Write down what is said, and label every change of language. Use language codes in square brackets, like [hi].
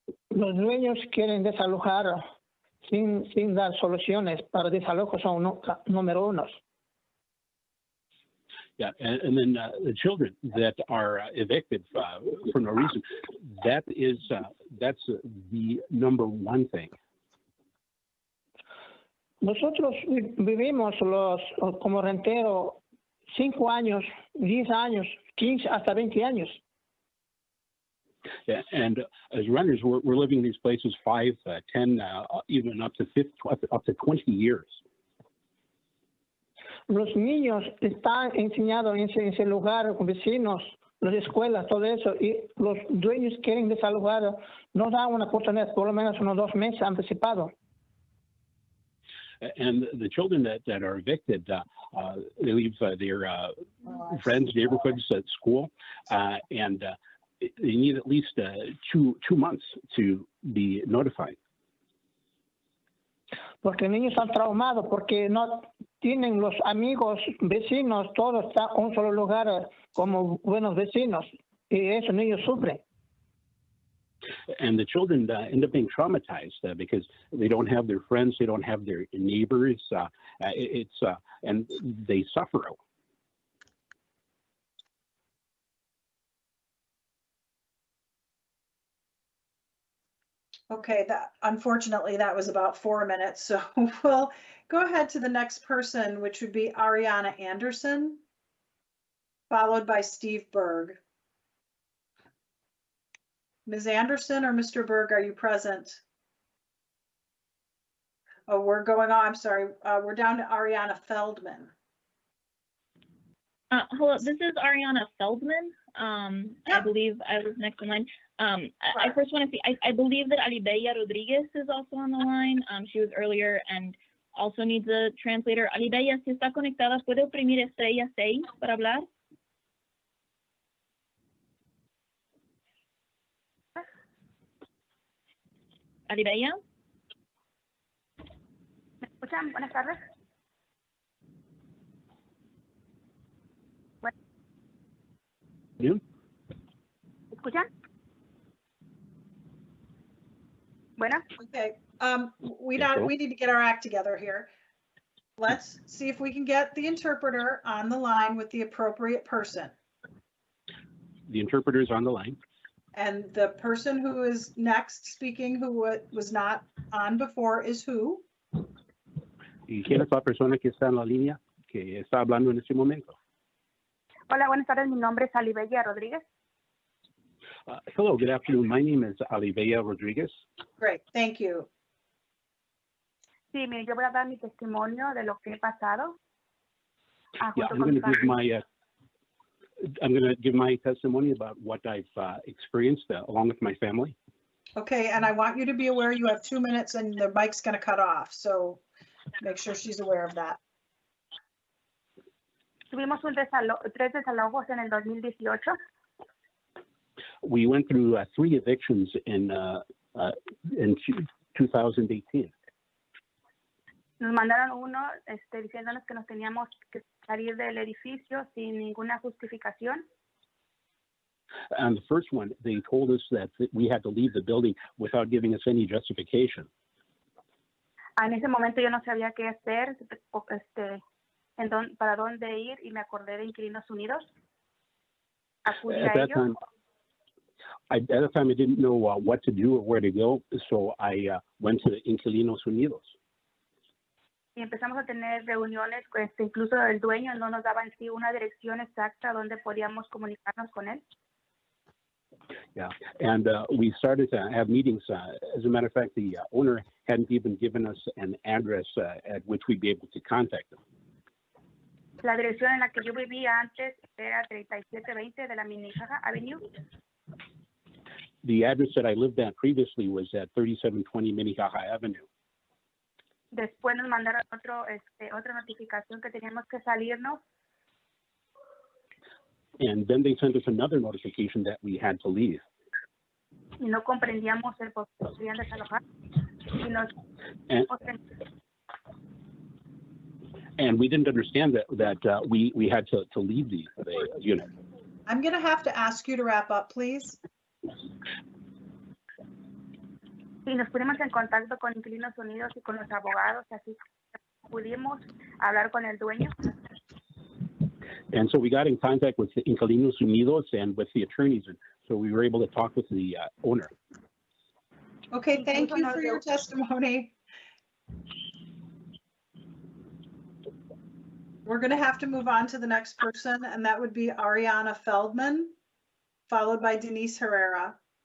[es] Los dueños quieren desalojar sin dar soluciones para desalojos son número unos. [en] Yeah, and then the children that are evicted for no reason, that is, that's the number one thing. [es] Nosotros vivimos los como rentero 5 años, 10 años, 15 hasta 20 años. [en] Yeah, and as renters, we're living in these places 5, 10, even up to 20 years. [es] Los niños están enseñados en ese lugar con vecinos, las escuelas, todo eso, y los dueños quieren desalojar, no dan una oportunidad, por lo menos unos 2 meses anticipado. [en] And the children that are evicted, they leave their friends, neighborhoods at school, and they need at least two months to be notified. [es] Porque niños están traumados porque no tienen los amigos, vecinos, todo está en un solo lugar como buenos vecinos, y eso niños sufren. [en] And the children end up being traumatized because they don't have their friends, they don't have their neighbors, and they suffer. Okay, unfortunately that was about 4 minutes, so we'll go ahead to the next person, which would be Ariana Anderson, followed by Steve Berg. Ms. Anderson or Mr. Berg, are you present? Oh, we're going on. I'm sorry. We're down to Ariana Feldman. Hello, this is Ariana Feldman. Yeah. I believe I was next in line. Sure. I first want to see, I believe that Alibeya Rodriguez is also on the line. She was earlier and also needs a translator. [es] Alibeya, si está conectada, puede oprimir estrella 6 para hablar? Alibeya? ¿Me escuchan? Buenas tardes. ¿Me escuchan? Bueno. [en] Okay. We need to get our act together here. Let's see if we can get the interpreter on the line with the appropriate person. The interpreter is on the line. And the person who is next speaking, who was not on before, is who? [es] ¿Y quién es la persona que está en la línea, que está hablando en este momento? Hola, buenas tardes. Mi nombre es Alibeya Rodriguez. [en] Hello, good afternoon. My name is Alibeya Rodriguez. Great, thank you. [es] Sí, mire, yo voy a dar mi testimonio de lo que he pasado. [en] I'm going to give my testimony about what I've experienced along with my family. Okay, and I want you to be aware you have 2 minutes and the mic's going to cut off, so make sure she's aware of that. [es] Tuvimos tres desalojos en el 2018. [en] We went through 3 evictions in 2018. [es] Nos mandaron uno diciéndonos que nos teníamos que salir del edificio sin ninguna justificación. [en] And the first one, they told us that we had to leave the building without giving us any justification. [es] En ese momento yo no sabía qué hacer, para dónde ir, y me acordé de Inquilinos Unidos. [en] At that time, I didn't know what to do or where to go, so I went to Inquilinos Unidos. [es] y empezamos a tener reuniones, pues, incluso el dueño no nos daba en sí una dirección exacta donde podíamos comunicarnos con él. [en] Yeah, and we started to have meetings. As a matter of fact, the owner hadn't even given us an address at which we'd be able to contact them. [es] La dirección en la que yo vivía antes era 3720 de la Minnehaha Avenue. [en] The address that I lived at previously was at 3720 Minnehaha Avenue. [es] Después nos mandaron otro, otra notificación que teníamos que salirnos. [en] And then they sent us another notification that we had to leave. [es] Y no comprendíamos el por qué querían desalojar. [en] And we didn't understand that we had to leave the unit. I'm going to have to ask you to wrap up, please. [es] Y nos pusimos en contacto con Inquilinos Unidos y con los abogados, así pudimos hablar con el dueño. [en] And so we got in contact with the Inquilinos Unidos and with the attorneys, and so we were able to talk with the owner. Okay, thank you for your testimony. We're going to have to move on to the next person, and that would be Ariana Feldman, followed by Denise Herrera.